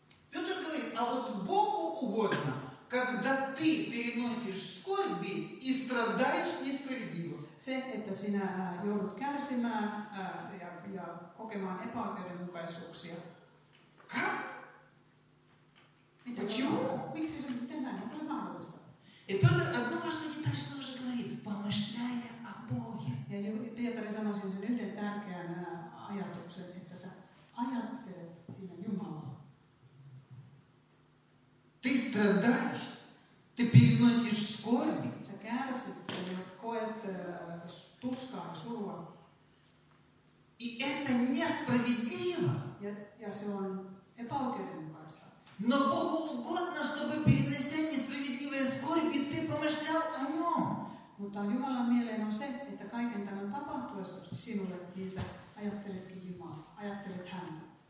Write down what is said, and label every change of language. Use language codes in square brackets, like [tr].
[ru] Петр говорит, а вот Богу угодно, когда ты переносишь скорби и страдаешь несправедливо. [fi] Se, että sinä joudut kärsimään ja kokemaan epäoikeudenmukaisuuksia. [ru] Как? Почему? [fi] Miksi se nyt tehdään? Onko se mahdollista? [ru] И Петр одну важную деталь тоже говорит, помышляя о Боге. [fi] Ja Pietari sanoi sen yhden tärkeän ajatuksen, että sä ajattelet sinä Jumalaa. [ru] Ты страдаешь, ты переносишь скорби. [fi] Sä kärsit, sä koet tuskaa, surua. [ru] И это несправедливо. [fi] Ja se on epäoikeudenmukaista. [ru] Но Богу угодно, чтобы перенося несправедливые скорби, ты помышлял о нем. [fi] Mutta Jumalan mieleen on se, että kaiken tämän tapahtuessa sinulle, niin sä ajatteletkin Jumalaa, ajattelet häntä.